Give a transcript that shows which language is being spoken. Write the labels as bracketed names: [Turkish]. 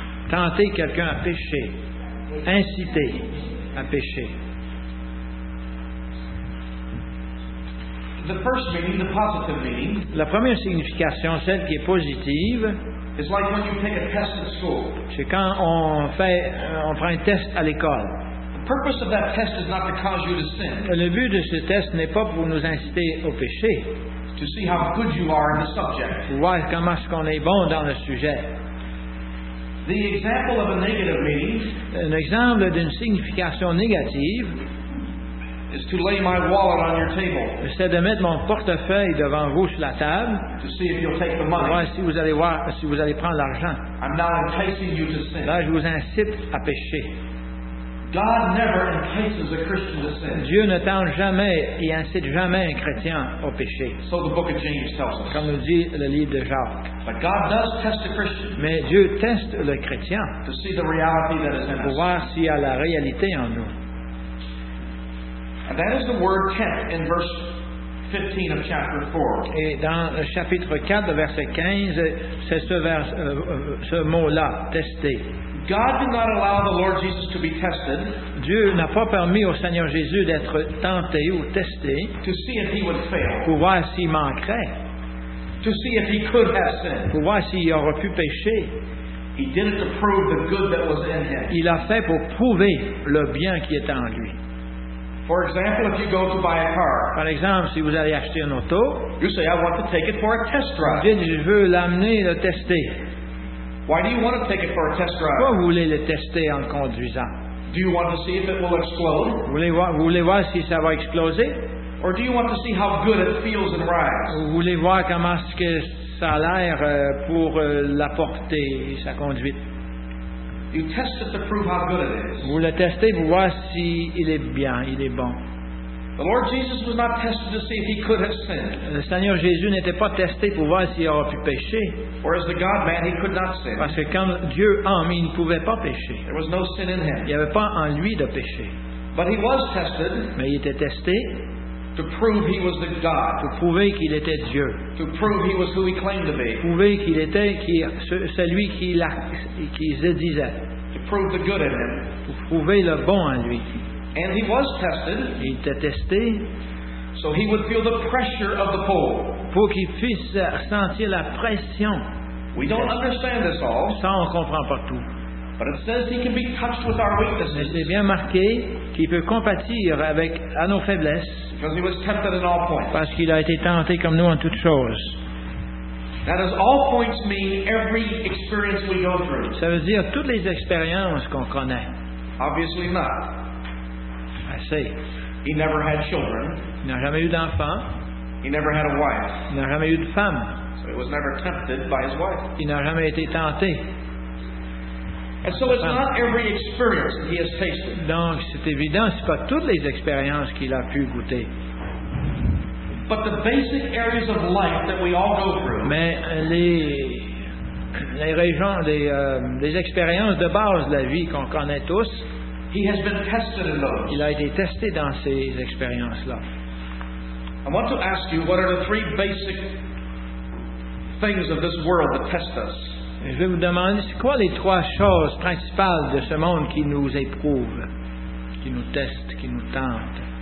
[French] Tenter quelqu'un à pécher, inciter à pécher. [English] The first meaning, the positive meaning, [French] la première signification, celle qui est positive, [English] is like when you take a test at school. [French] C'est quand on prend un test à l'école. [English] The purpose of that test is not to cause you to sin. [French] Le but de ce test n'est pas pour nous inciter au péché. [English] To see how good you are in the subject. [French] Pour voir comment est-ce qu'on est bon dans le sujet. [English] The example of a negative meaning, [French] un exemple d'une signification négative, [English] is to lay my wallet on your table. [French] C'est de mettre mon portefeuille devant vous sur la table. [English] To see if you'll take the money. [French] Voir si vous allez voir si vous allez prendre l'argent. [English] I'm now enticing you to sin. [French] Là, je vous incite à pécher. [English] God never entices a Christian to sin. [French] Dieu ne tente jamais et incite jamais un chrétien au péché. [English] So the book of James tells us. [French] Comme nous dit le livre de Jacques. [English] But God does test a Christian. [French] Mais Dieu teste le chrétien. [English] To see the reality that is in us. [French] Pour voir s'il y a la réalité en nous. [English] And that is the word tempt in verse 15 of chapter 4. [French] Et dans le chapitre 4, verset 15, c'est ce mot-là, tester. [English] God did not allow the Lord Jesus to be tested. [French] Dieu n'a pas permis au Seigneur Jésus d'être tenté ou testé. [English] To see if he would fail. [French] Pour voir s'il manquerait. [English] To see if he could have sinned. [French] Pour voir s'il aurait pu pécher. [English] He did it to prove the good that was in him. [French] Il a fait pour prouver le bien qui est en lui. [English] For example, if you go to buy a car, [French] par exemple, si vous allez acheter une auto, [English] you say, I want to take it for a test drive. [French] Vous dites, je veux l'amener le tester. [English] Why do you want to take it for a test drive? [French] Pourquoi vous voulez le tester en conduisant? [English] Do you want to see if it will explode? [French] Vous voulez voir si ça va exploser? [English] Or do you want to see how good it feels and rides? [French] Vous voulez voir comment est-ce que ça a l'air pour la portée et sa conduite? [English] You test it to prove how good it is. [French] Vous le testez pour voir si il est bien, il est bon. [English] The Lord Jesus was not tested to see if he could have sinned. [French] Le Seigneur Jésus n'était pas testé pour voir s'il aurait pu pécher. [English] Or as the God-Man, he could not sin. [French] Parce que comme Dieu homme, il ne pouvait pas pécher. [English] There was no sin in him. [French] Il n'y avait pas en lui de péché. [English] But he was tested. [French] Mais il était testé. [English] To prove he was the God. [French] Pour prouver qu'il était Dieu. [English] To prove he was who he claimed to be. [French] Pour prouver qu'il était celui qui se disait. [English] To prove the good in him. [French] Pour prouver le bon en lui. [English] And he was tested. [French] Il était testé. [English] So he would feel the pressure of the pole. [French] Pour qu'il puisse ressentir la pression. [English] We don't understand this all. [French] Ça, on comprend pas tout. [English] But it says he can be touched with our weaknesses. [French] Mais c'est bien marqué qu'il peut compatir avec à nos faiblesses. [English] Because he was tempted in all points. [French] Parce qu'il a été tenté comme nous en toutes choses. [English] That is, all points mean every experience we go through. [French] Ça veut dire toutes les expériences qu'on connaît. [English] Obviously not. I see. He never had children. [French] Il n'a jamais eu d'enfant. [English] He never had a wife. [French] Il n'a jamais eu de femme. [English] So he was never tempted by his wife. [French] Il n'a jamais été tenté. [English] And so it's not every experience that he has tasted. [French] Donc, c'est évident, c'est pas toutes les expériences qu'il a pu goûter. [English] But the basic areas of life that we all go through. [French] Mais les régions, les expériences de base de la vie qu'on connaît tous. [English] He has been tested in those. [French] Il a été testé dans ces expériences-là. [English] I want to ask you, what are the three basic things of this world that test us? [French] Et je vais vous demander, c'est quoi les trois choses principales de ce monde qui nous éprouve, qui nous teste, qui nous tente?